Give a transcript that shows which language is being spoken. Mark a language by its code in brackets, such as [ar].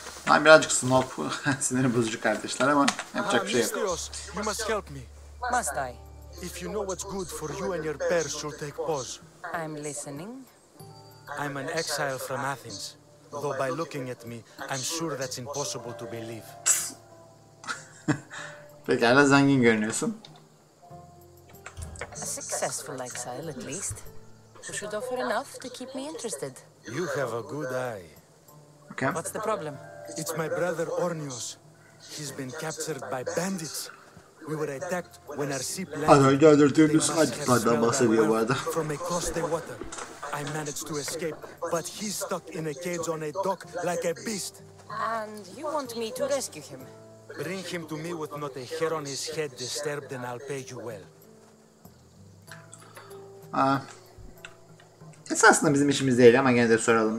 [tr] Ben birazcık snob, sinir bozucu kardeşler ama yapacak bir şey yok. [en] Mistyos, you must help me. Must I? If you know what's good for you and your pair, should take pause. I'm listening. I'm an exile from Athens. Though by looking at me, I'm sure that's impossible to believe. [tr] Pekala, zengin görünüyorsun. [en] Successful exile, at least. You should offer enough to keep me interested. You have a good eye. Okay. What's the problem? It's my brother Ornios. He's been captured by bandits. We were attacked when our ship landed. [tr] Ah, öldürdüğümüz adamlardan bahsediyor bu adam. [en] From across the water, I managed to escape, but he's stuck in a cage on a dock like a beast. And you want me to rescue him? Bring him to me with not a hair on his head disturbed, and I'll pay you well. [tr] Esasında bizim işimiz değil ama gene de soralım.